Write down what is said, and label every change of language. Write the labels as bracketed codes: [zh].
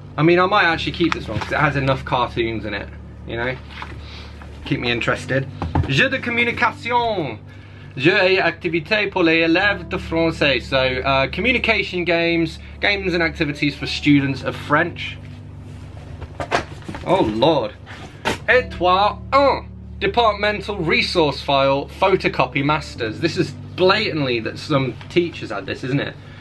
[en] I mean, I might actually keep this one because it has enough cartoons in it, you know? Keep me interested. [fr] Jeu de communication. Jeu et activité pour les élèves de français. [en] So, communication games, games and activities for students of French. Oh, Lord. Etoile 1. Departmental resource file, photocopy masters. This is blatantly that some teachers had this, isn't it?